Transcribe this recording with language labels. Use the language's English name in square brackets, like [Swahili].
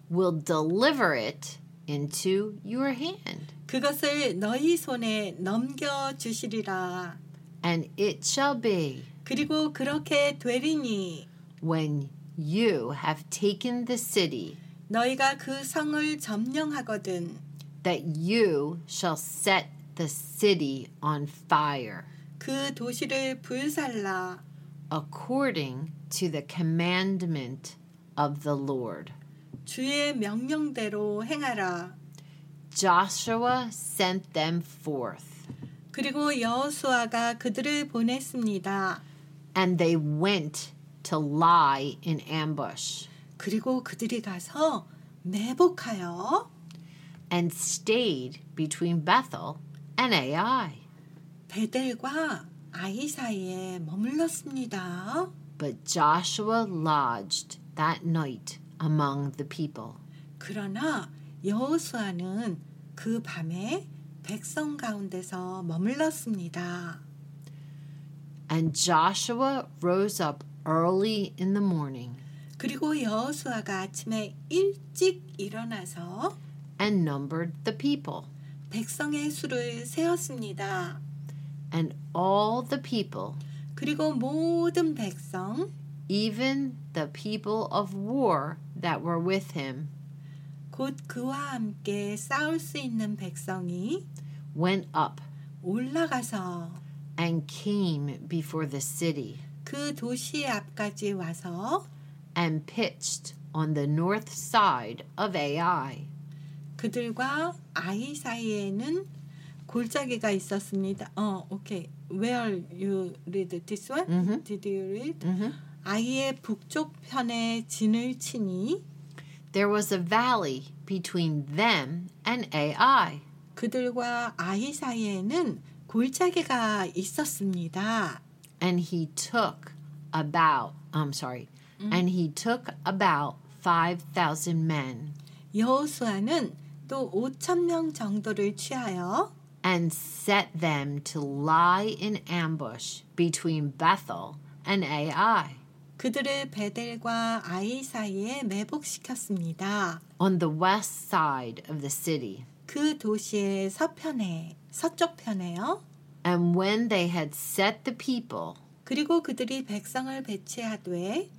[English] will deliver it into your hand [Korean] 그것을 너희 손에 넘겨주시리라. [English] And it shall be [Korean] 그리고 그렇게 되리니 [English] when you have taken the city [Korean] 너희가 그 성을 점령하거든 [English] that you shall set the city on fire [Korean] 그 도시를 불살라 [English] according to the commandment of the Lord [Korean] 주의 명령대로 행하라. [English] Joshua sent them forth. [Korean] 그리고 여호수아가 그들을 보냈습니다. [English] And they went to lie in ambush. [Korean] 그리고 그들이 가서 매복하여 [English] and stayed between Bethel and Ai. [Korean] 베델과 아이 사이에 머물렀습니다. [English] But Joshua lodged that night among the people. [Korean] 그러나 여호수아는 그 밤에 백성 가운데서 머물렀습니다. [English] And Joshua rose up early in the morning. [Korean] 그리고 여호수아가 아침에 일찍 일어나서 [English] and numbered the people. [Korean] 백성의 수를 세었습니다. [English] And all the people. [Korean] 그리고 모든 백성 [English] even the people of war that were with him. [Korean] 곧 그와 함께 싸울 수 있는 백성이 [English] went up [Korean] 올라가서 [English] and came before the city [Korean] 그 도시 앞까지 와서 [English] and pitched on the north side of Ai [Korean] 그들과 아이 사이에는 골짜기가 있었습니다. [English] Okay. Where you read this one? Mm-hmm. Did you read? Mm-hmm. [Korean] 아이의 북쪽 편에 진을 치니 [English] There was a valley between them and AI. [Korean] 그들과 AI 사이에는 골짜기가 있었습니다. [English] And he took about, I'm sorry, and he took about 5,000 men. [Korean] 여호수아는 또 5,000명 정도를 취하여 [English] and set them to lie in ambush between Bethel and Ai. [Korean] 그들을 베델과 아이 사이에 매복시켰습니다. [English] On the west side of the city. [Korean] 그 도시의 서편에, 서쪽 편에요. [English] And when they had set the people, [Korean] 그리고 그들이 백성을 배치하되,